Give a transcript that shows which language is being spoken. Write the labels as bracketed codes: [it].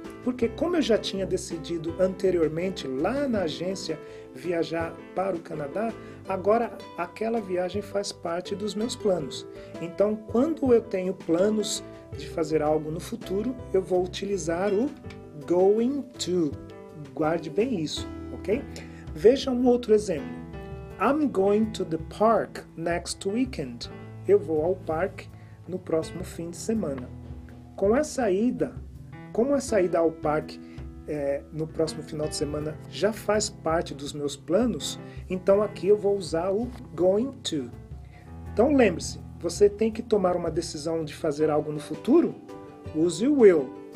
[pt] Porque como eu já tinha decidido anteriormente, lá na agência, viajar para o Canadá, agora aquela viagem faz parte dos meus planos. Então, quando eu tenho planos de fazer algo no futuro, eu vou utilizar o going to. Guarde bem isso, ok? Veja um outro exemplo. [en] I'm going to the park next weekend. [pt] Eu vou ao parque no próximo fim de semana. Como essa ida ao parque no próximo final de semana já faz parte dos meus planos, então aqui eu vou usar o going to. Então lembre-se, você tem que tomar uma decisão de fazer algo no futuro? Use o will.